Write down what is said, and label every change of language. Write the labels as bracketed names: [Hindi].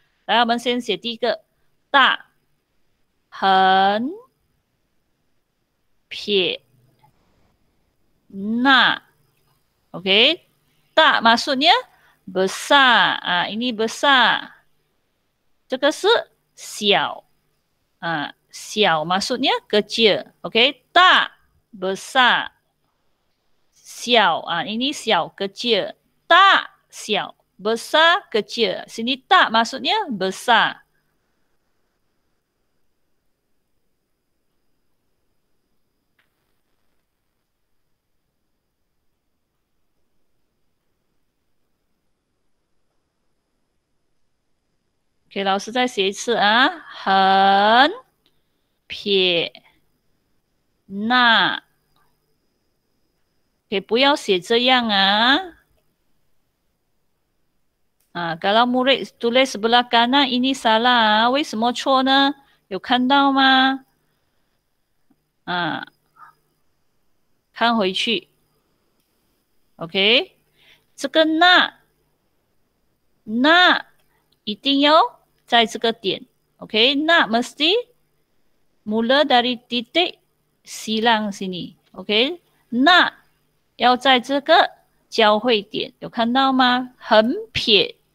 [Chinese] 来，我们先写第一个，大，横，撇，那 ，OK， 大 ， [Malay] maksudnya besar [Chinese] 啊 ，ini besar， 这个是小，啊，小 ， [Malay] maksudnya kecil， [Chinese] OK，、okay? 大 ，besar， 小啊 ，ini 小 kecil。大小 [Malay] besar kecil sini [Chinese] 大 [Malay] maksudnya besar [Chinese] OK 老师再写一次啊横撇捺，可以不要写这样啊。 [Malay] 啊 ，kalau mulai tulis sebelah kanan ini salah， [Chinese] 为什么错呢？有看到吗？啊，看回去 ，OK， 这个捺，捺一定要在这个点 ，OK， 捺 [Malay] mesti mulai dari titik silang sini， [Chinese] OK， 捺要在这个交汇点，有看到吗？横撇。